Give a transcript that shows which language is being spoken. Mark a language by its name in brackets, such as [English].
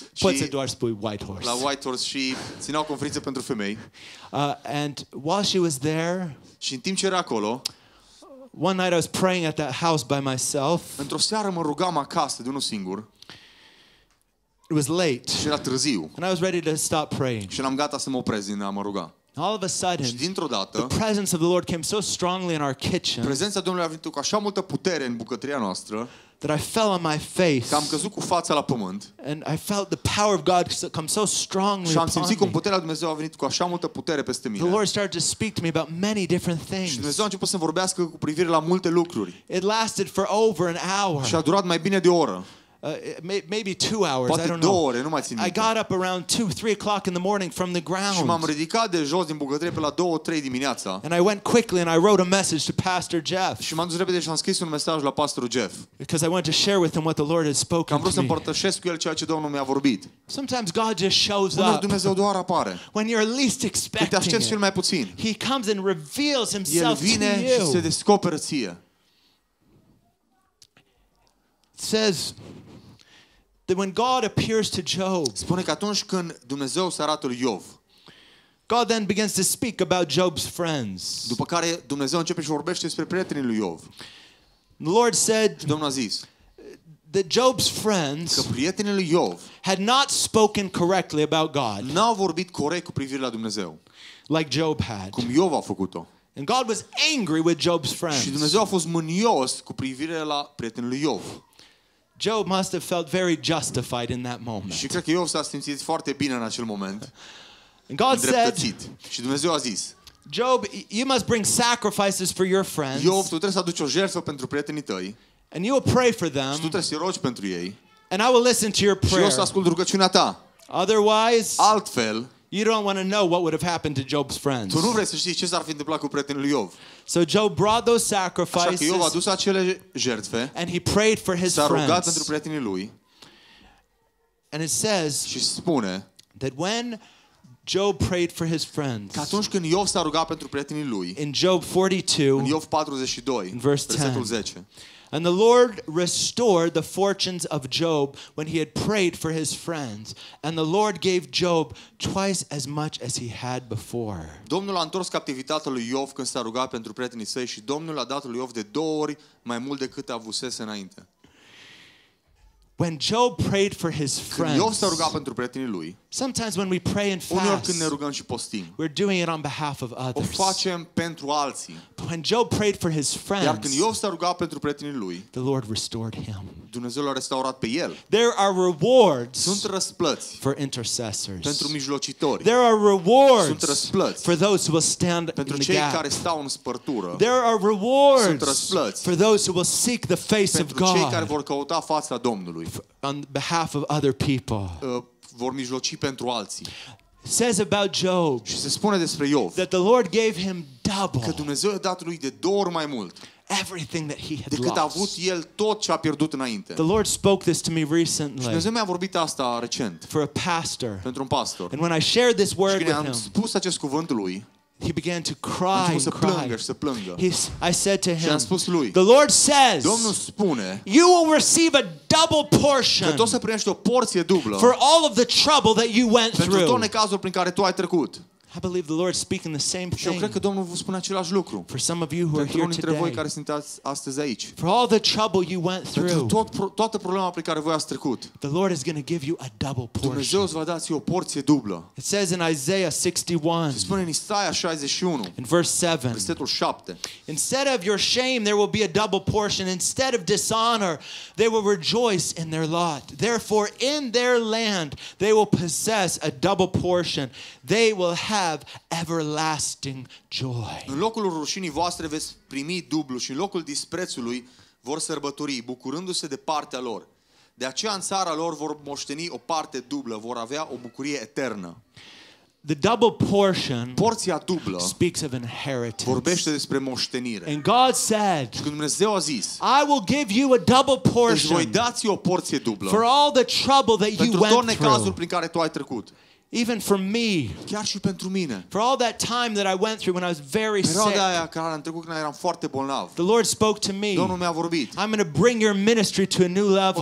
[Romanian] Poți doar spui White Horse. La White Horse și ținea o conferință pentru femei. [English] And while she was there. [Romanian] Și în timp ce era acolo. [English] One night I was praying at that house by myself. [Romanian] Într-o seară mă rugam acasă de unul singur. [English] It was late. [Romanian] Și era târziu. [English] And I was ready to stop praying. [Romanian] Și eram gata să mă opresc din a mă ruga. [English] All of a sudden, [Romanian] dată, [English] the presence of the Lord came so strongly in our kitchen. [Romanian] Prezența Domnului a venit cu așa multă putere în bucătăria noastră. [English] That I fell on my face. [Romanian] Că am căzut cu fața la pământ. [English] And I felt the power of God come so strongly. [Romanian] Și am simțit cum puterea lui Dumnezeu a venit cu așa multă putere peste mine. [English] The Lord started to speak to me about many different things. [Romanian] Și Dumnezeu a început să vorbească cu privire la multe lucruri. [English] It lasted for over an hour. [Romanian] Și a durat mai bine de o oră. [English] Maybe 2 hours. [Romanian] Poate [English] I don't know. [Romanian] Ore, nu mai țin minte. [English] I got up around 2-3 o'clock in the morning from the ground. [Romanian] Și m-am ridicat de jos din bucătărie pe la 2-3 dimineața. [English] And I went quickly and I wrote a message to Pastor Jeff. [Romanian] Și m-am dus repede și am scris un mesaj la pastorul Jeff. [English] Because I wanted to share with him what the Lord has spoken. [Romanian] Am vrut să împărtășesc cu el ceea ce Domnul mi-a vorbit. [English] Sometimes God just shows up. [Romanian] Dumnezeu doar apare. [English] When you're least expecting it. [Romanian] Când te aștepți cel mai puțin. [English] He comes and reveals himself to you. [Romanian] El vine și se descoperă ție. [English] It says that when God appears to Job, [Romanian] spune că atunci când Dumnezeu se arată lui Iov, [English] God then begins to speak about Job's friends. [Romanian] După care Dumnezeu începe și vorbește despre prietenii lui Iov. [English] The Lord said, [Romanian] Domnul a zis, [English] that Job's friends, [Romanian] că prietenii lui Iov, [English] had not spoken correctly about God. [Romanian] N-au vorbit corect cu privire la Dumnezeu. [English] Like Job had. [Romanian] Cum Iov a făcut-o. [English] And God was angry with Job's friends. [Romanian] Și Dumnezeu a fost mânios cu privire la prietenii lui Iov. [English] Job must have felt very justified in that moment. [Romanian] Și cred că Iov s-a simțit foarte bine în acel moment. [English] And God said, [Romanian] și Dumnezeu a zis, [English] Job, you must bring sacrifices for your friends. [Romanian] Iov, tu trebuie să aduci o jertfă pentru prietenii tăi. [English] And you will pray for them. [Romanian] Și tu trebuie să rogi pentru ei. [English] And I will listen to your prayer. [Romanian] Și eu o să ascult rugăciunea ta. [English] Otherwise, [Romanian] altfel, [English] you don't want to know what would have happened to Job's friends. [Romanian] Tu nu vrei să știi ce s-ar fi întâmplat cu prietenii lui Iov. [English] So Job brought those sacrifices. [Romanian] Așa că Iov a adus acele jertfe. [English] And he prayed for his friends. [Romanian] S-a rugat pentru prietenii lui. [English] And it says, [Romanian] și spune, [English] that when Job prayed for his friends, [Romanian] că atunci când Iov s-a rugat pentru prietenii lui, [English] in Job 42, [Romanian] în Iov 42, [English] in verse 10, [Romanian] versetul 10, [English] and the Lord restored the fortunes of Job when he had prayed for his friends, and the Lord gave Job twice as much as he had before. [Romanian] Domnul a întors captivitatea lui Iov când s-a rugat pentru prietenii săi și Domnul a dat lui Iov de două ori mai mult decât avusese înainte. [English] When Job prayed for his friends, [Romanian] când Iov s-a rugat pentru prietenii lui, [English] sometimes when we pray and fast, [Romanian] uneori când ne rugăm și postim, [English] we're doing it on behalf of others. [Romanian] O facem pentru alții. [English] But when Job prayed for his friends, [Romanian] iar când Iov s-a rugat pentru prietenii lui, [English] the Lord restored him. [Romanian] Dumnezeu l-a restaurat pe el. [English] There are rewards. [Romanian] Sunt răsplăți. [English] For intercessors. [Romanian] Pentru mijlocitori. [English] There are rewards. [Romanian] Sunt răsplăți. [English] For those who will stand in the gap. [Romanian] Pentru cei care stau în spărtură. [English] There are rewards. [Romanian] Sunt răsplăți. [English] For those who will seek the face of God. [Romanian] Pentru cei care vor căuta fața Domnului. [English] On behalf of other people. [Romanian] Vor mijloci pentru alții. [English] Says about Job. [Romanian] Și se spune despre Iov. [English] That the Lord gave him double. [Romanian] Că Dumnezeu a dat lui de două ori mai mult. [English] Everything that he had lost. [Romanian] Decât a avut el tot ce a pierdut înainte. [English] The Lord spoke this to me recently. [Romanian] Și Dumnezeu mi-a vorbit asta recent. [English] For a pastor. [Romanian] Pentru un pastor. [English] And when I shared this word with him. [Romanian] Și când am spus acest cuvânt lui. [English] He began to cry and cry. [Romanian] Plângă, să plângă. [English] I said to him, [Romanian] lui, [English] the Lord says, [Romanian] Domnul spune, [English] you will receive a double portion [Romanian] că o să primești o porție dublă [English] for all of the trouble that you went [Romanian] pentru [English] through. [Romanian] Pentru tot necazul prin care tu ai trecut. [English] I believe the Lord is speaking the same thing. [Romanian] Și eu cred că Domnul vă spune același lucru. [English] For some of you who are here today. [Romanian] Pentru unii dintre voi care sunteți astăzi aici. [English] For all the trouble you went through. [Romanian] Pentru toată problema prin care voi ați trecut. [English] The Lord is going to give you a double portion. [Romanian] Dumnezeu îți va da o porție dublă. [English] It says in Isaiah 61. [Romanian] Se spune în Isaia 61. [English] In verse 7. [Romanian] Versetul 7. [English] Instead of your shame there will be a double portion. Instead of dishonor they will rejoice in their lot. Therefore in their land they will possess a double portion. They will have everlasting joy. [Romanian] În locul rușinii voastre veți primi dublu și în locul disprețului vor sărbători, bucurându-se de partea lor. De aceea în țara lor vor moșteni o parte dublă, vor avea o bucurie eternă. [English] The double portion, [Romanian] porția dublă, [English] speaks of inheritance. [Romanian] Vorbește despre moștenire. [English] And God said, [Romanian] și când Dumnezeu a zis, [English] I will give you a double portion. [Romanian] Îți voi da o porție dublă. [English] For all the trouble that you went through. [Romanian] Pentru tot necazul prin care tu ai trecut. [English] Even for me. [Romanian] Chiar și pentru mine. [English] For all that time that I went through when I was very sick. [Romanian] Perioada aia care am trecut când eram foarte bolnav. [English] The Lord spoke to me. [Romanian] Domnul mi-a vorbit. [English] I'm going to bring your ministry to a new level.